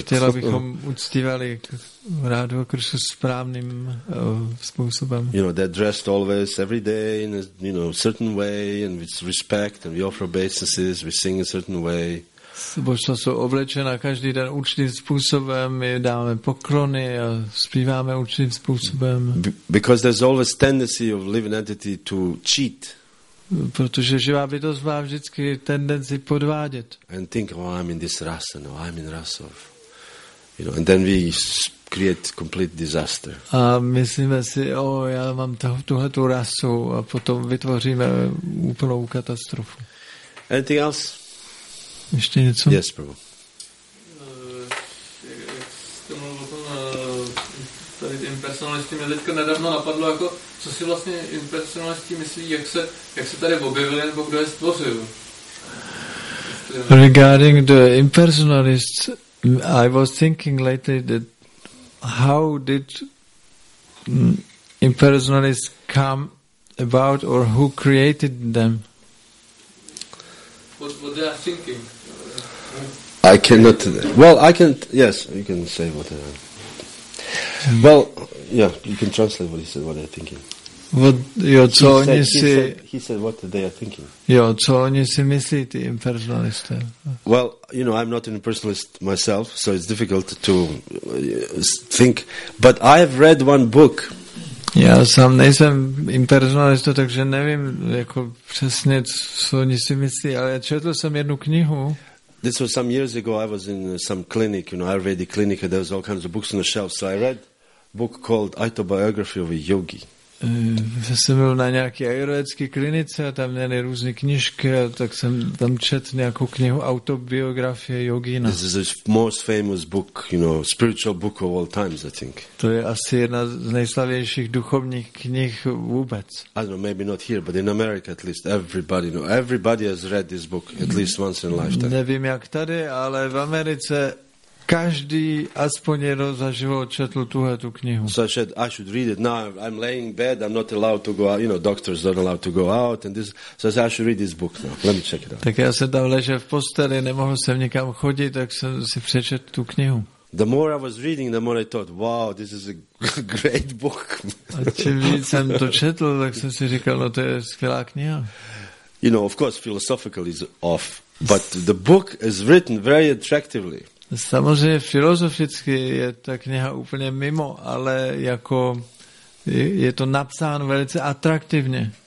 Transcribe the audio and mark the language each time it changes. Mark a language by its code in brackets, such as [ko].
[cs] Chtěl, abychom uctívali rádu Kršu správným způsobem. [en] You know, they're dressed always every day in a, you know, certain way and with respect and we offer obeisances, we sing a certain way. [cs] Božstva jsou oblečena každý den určitým způsobem, my dáme poklony a zpíváme určitým způsobem. [en] Because there's always tendency of living entity to cheat. [cs] Protože živá bytost má vždycky tendenci podvádět. [en] And think, oh, I'm in this rasa, no, I'm in rasov. You know, and then we create complete disaster. [cs] A myslíme si, oh, já mám tuhletu rasu a potom vytvoříme úplnou katastrofu. [en] Anything else? [cs] Ještě něco? [en] Yes, Prabhu. [cs] Impersonalisti, mě teďka nedávno napadlo, jako, co si vlastně impersonalisti myslí, jak se tady objevili, nebo kdo je stvořil. [en] Regarding the impersonalists, I was thinking lately that how did impersonalists come about or who created them? What they are thinking? I cannot, well, I can, yes, you can say whatever. Well, yeah, you can translate what he said, what they're thinking. He said what they are thinking. [cs] Jo, co oni si myslí, ty impersonalisté. [en] Well, you know, I'm not an impersonalist myself, so it's difficult to think. But I have read one book. [cs] Já sám nejsem impersonalista, takže nevím jako přesně, co oni si myslí, ale četl jsem jednu knihu. [en] This was some years ago, I was in some clinic, you know, Ayurvedic clinic, and there was all kinds of books on the shelf. So I read a book called Autobiography of a Yogi. [cs] Já jsem byl na nějaké ayurvedické klinice, tam měli různé knižky, tak jsem tam četl nějakou knihu Autobiografie Yogina. [en] This is the most famous book, you know, spiritual book of all times, I think. [cs] To je asi jedna z nejslavnějších duchovních knih vůbec. [en] I don't know, maybe not here, but in America at least, everybody, you know, everybody has read this book at least once in lifetime. [cs] Nevím jak tady, ale v Americe každý aspoň jednou za život četl tuhle tu knihu. [en] So I said, I should read it. Now I'm laying in bed, I'm not allowed to go out. You know, doctors don't allow to go out. And this. So I said, I should read this book now. Let me check it out. [cs] Tak já jsem tam ležel v posteli, nemohl jsem nikam chodit, tak jsem si přečet tu knihu. [en] The more I was reading, the more I thought, wow, this is a great book. [cs] A čím víc jsem to četl, tak jsem si říkal, no to je skvělá kniha. [en] You know, of course, philosophical is off, but the book is written very attractively. [cs] Samozřejmě filozoficky je ta kniha úplně mimo, ale jako je to napsáno velice atraktivně.